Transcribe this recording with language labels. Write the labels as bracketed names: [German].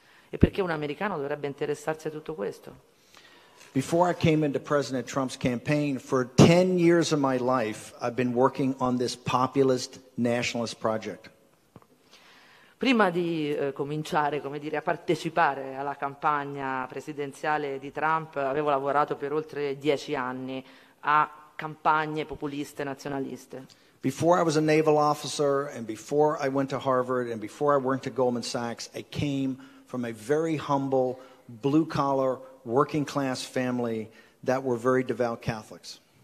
[Italian] E perché un americano dovrebbe interessarsi a tutto questo? [English] Before I came into President Trump's campaign, for 10 years of my life, I've been working on this populist nationalist project. [Italian] Prima di cominciare, come dire, a partecipare alla campagna presidenziale di Trump, avevo lavorato per oltre 10 anni a campagne populiste nazionaliste. [English] Before I was a naval officer and before I went to Harvard and before I worked at Goldman Sachs, I came from a very humble, blue-collar, working-class family that were very devout Catholics.